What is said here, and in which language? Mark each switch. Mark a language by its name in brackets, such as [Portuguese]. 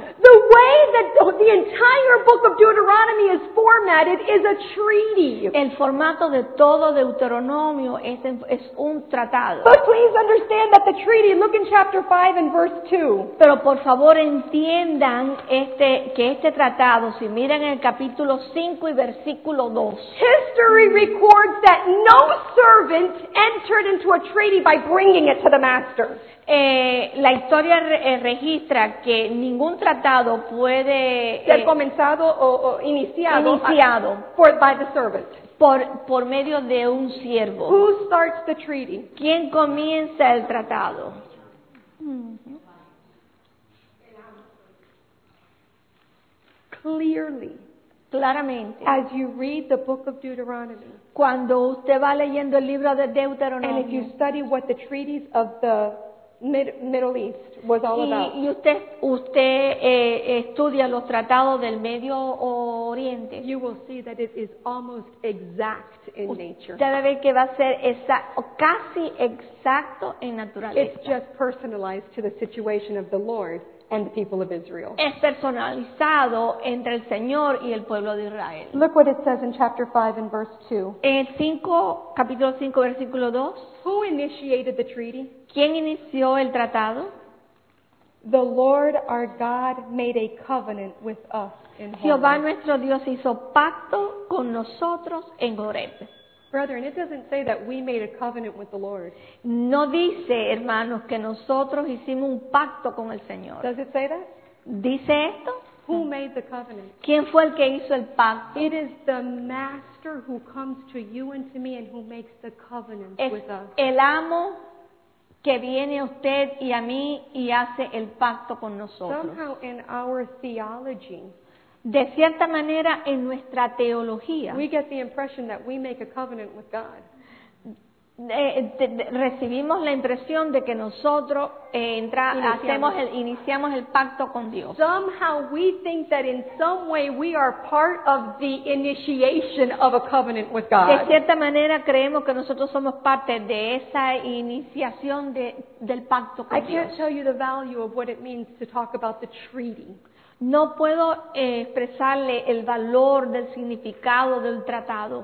[English] The way that the entire book of Deuteronomy is formatted is a treaty. [Spanish] El formato de todo Deuteronomio es un tratado. [English] But please understand that the treaty, look in chapter 5 and verse 2. [Spanish] Pero por favor entiendan que este tratado, si miran el capítulo 5 y versículo 2. [English] History records that no servant entered into a treaty by bringing it to the master. [Spanish] La historia registra que ningún tratado puede ser comenzado o iniciado [English] by the servant. [Spanish] Por medio de un siervo. [English] Who starts the treaty? [Spanish] ¿Quién comienza el tratado? [English] Clearly. [Spanish] Claramente. [English] As you read the book of Deuteronomy. [Spanish] Cuando usted va leyendo el libro de Deuteronomio. [English] And if you study what the treaties of the Middle East was all about. [Spanish] Y usted estudia los tratados del Medio Oriente. [English] You will see that it is almost exact in nature. [Spanish] Usted ve que va a ser casi exacto en naturaleza. [English] It's just personalized to the situation of the Lord and the people of Israel. [Spanish] Es personalizado entre el Señor y el pueblo de Israel. [English] Look what it says in chapter 5 and verse 2. [Spanish] En capítulo 5, versículo 2. [English] Who initiated the treaty? [Spanish] ¿Quién inició el tratado? [English] The Lord our God made a covenant with us in Horeb. [Spanish] Jehová nuestro Dios hizo pacto con nosotros en Horeb. [English] Brethren, it doesn't say that we made a covenant with the Lord. [Spanish] No dice, hermanos, que nosotros hicimos un pacto con el Señor. [English] Does it say that? [Spanish] ¿Dice esto? [English] Who made the covenant? [Spanish] ¿Quién fue el que hizo el pacto? [English] It is the master who comes to you and to me and who makes the covenant with us. [Spanish] El amo que viene usted y a mí y hace el pacto con nosotros. [English] Somehow in our theology, [Spanish] de cierta manera en nuestra teología, [English] we get the impression that we make a covenant with God. [Spanish] Recibimos la impresión de que nosotros iniciamos el pacto con Dios. [English] Somehow we think that in some way we are part of the initiation of a covenant with God. [Spanish] De cierta manera creemos que nosotros somos parte de esa iniciación del pacto con Dios. [English] I can't tell you the value of what it means to talk about the treaty. [Spanish] No puedo expresarle el valor del significado del tratado.